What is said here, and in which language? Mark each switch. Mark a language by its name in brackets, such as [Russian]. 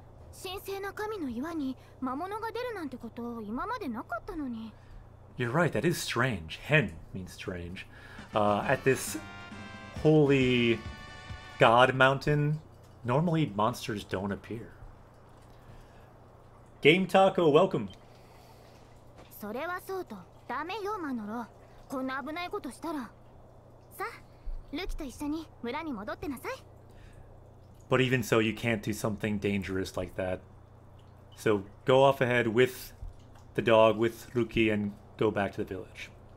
[Japanese] 神聖な神の岩に魔物が出るなんてこと今までなかったのに。 [English] You're right, that is strange. 変 means strange. At this holy god mountain, normally monsters don't appear. Game Taco, welcome! [Japanese] それはそうと、ダメよマノロ。こんな危ないことしたら。さあ、ルキと一緒に村に戻ってなさい。 [English] But even so, you can't do something dangerous like that. So go off ahead with the dog, with Ruki, and go back to the village.